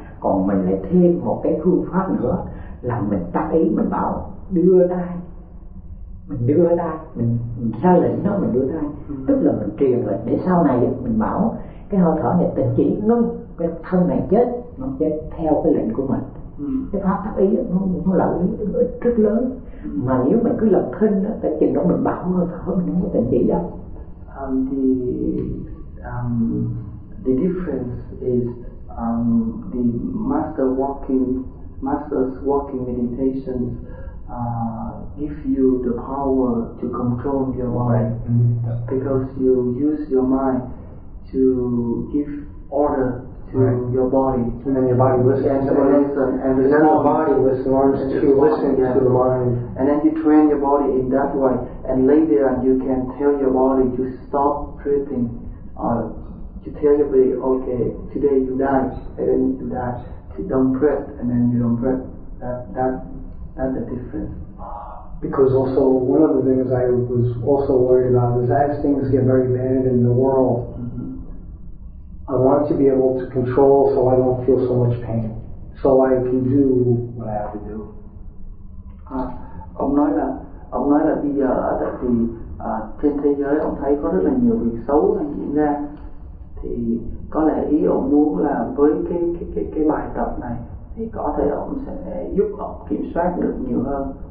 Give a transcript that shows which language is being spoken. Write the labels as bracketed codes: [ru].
[vi] Còn mình lại thêm một cái phương pháp nữa là mình tác ý, mình bảo đưa tay, mình đưa tay, mình ra lệnh nó, mình đưa tay, tức là mình truyền lệnh để sau này mình bảo cái hơi thở này tình chỉ ngưng, cái thân này chết, nó chết theo cái lệnh của mình. Cái pháp tác ý nó lợi rất lớn. Mà nếu mình cứ lập thinh đó, tại chừng đó mình bảo hơi thở mình không có tình chỉ đâu. [en] The difference is the master's walking meditations give you the power to control your mind, because you use your mind to give order to your body, and then your body listens to the answer, and then the body listens to the mind, and then you train your body in that way, and later you can tell your body to stop breathing, to tell your body, okay, today you die, I don't need to die, to don't breathe, and then you don't breathe. That's the difference. Because also one of the things I was also worried about is as things get very bad in the world, I want to be able to control so I don't feel so much pain, so I can do what I have to do. [vi] Ông nói là bây giờ ở tại thì trên thế giới ông thấy có rất là nhiều việc xấu đang diễn ra, thì có lẽ ý ông muốn là với cái bài tập này thì có thể ông sẽ giúp ông kiểm soát được nhiều hơn.